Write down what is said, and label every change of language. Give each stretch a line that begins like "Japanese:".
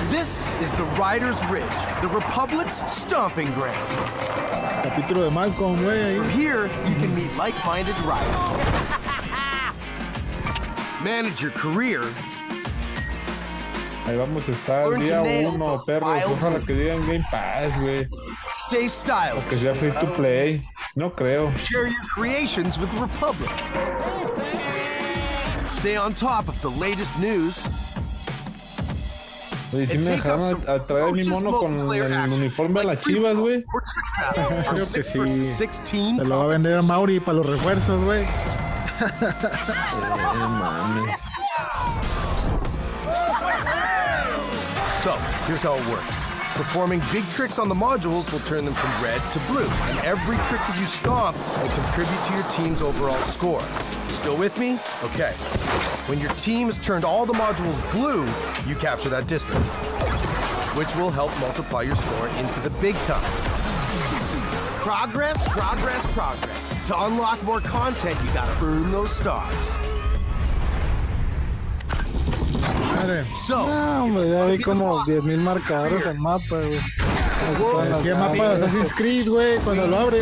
English: This is the Rider's Ridge, the Republic's stomping ground.
Spanish: Capítulo de Malcolm, güey, ahí.
English: From here, you can meet like-minded riders. Manage your career.
Spanish: Ahí vamos a estar día uno, perros. Ojalá que digan Game Pass, güey.
English: Stay styled.
Spanish: Porque sea free to play. No creo.
English: Share your creations with the Republic. Stay on top of the latest news.
Spanish: Oye, si me dejaron a traer mi mono con el uniforme de las Chivas, güey. Creo que sí. Se lo va a vender a Mauri para los refuerzos, güey.
English: So, here's how it works. Performing big tricks on the modules will turn them from red to blue. And every trick that you stomp will contribute to your team's overall score. You still with me? Okay. When your team has turned all the modules blue, you capture that district, which will help multiply your score into the big time. Progress, progress, progress. To unlock more content, you gotta earn those stars.
Spanish: So, no, hombre, ya vi como 10,000 marcadores en mapa, güey. ¿Qué mapa de Assassin's Creed, güey, cuando lo abre?